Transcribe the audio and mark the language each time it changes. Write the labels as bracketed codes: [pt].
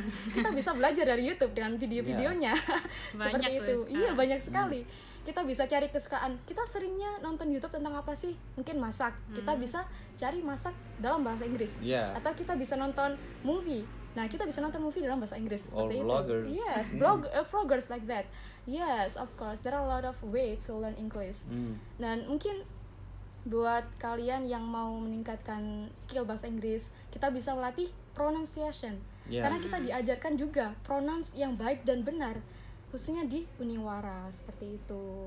[id] Kita bisa belajar dari YouTube dengan video-videonya. Seperti itu. Iya, banyak sekali. Kita bisa cari kesukaan. Kita seringnya nonton YouTube tentang apa sih? Mungkin masak. Kita bisa cari masak dalam bahasa Inggris. Atau kita bisa nonton movie. Nah, kita bisa nonton movie dalam bahasa Inggris. [en] Or vloggers. Yes, vloggers like that. Yes, of course. There are a lot of ways to learn English. [id] Dan mungkin buat kalian yang mau meningkatkan skill bahasa Inggris, kita bisa melatih pronunciation. Karena kita diajarkan juga pronounce yang baik dan benar, khususnya di Uniwara, seperti itu.